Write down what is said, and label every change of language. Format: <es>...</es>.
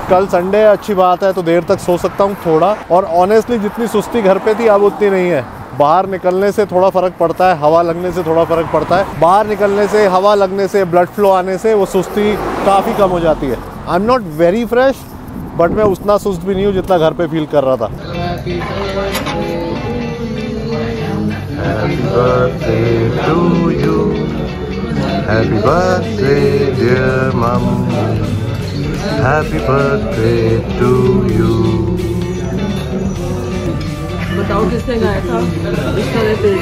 <hi>कल संडे है, अच्छी बात है, तो देर तक सो सकता हूँ थोड़ा। और ऑनेस्टली जितनी सुस्ती घर पे थी अब उतनी नहीं है, बाहर निकलने से थोड़ा फर्क पड़ता है, हवा लगने से थोड़ा फर्क पड़ता है, बाहर निकलने से, हवा लगने से, ब्लड फ्लो आने से वो सुस्ती काफ़ी कम हो जाती है।</hi> <en>I am not very fresh, but</en> <hi>मैं उतना सुस्त भी नहीं हूँ जितना घर पे फील कर रहा था।</hi> <en>Happy birthday dear mum, happy birthday to you.</en> <hi>बताओ किसने गाया था, किसने</hi>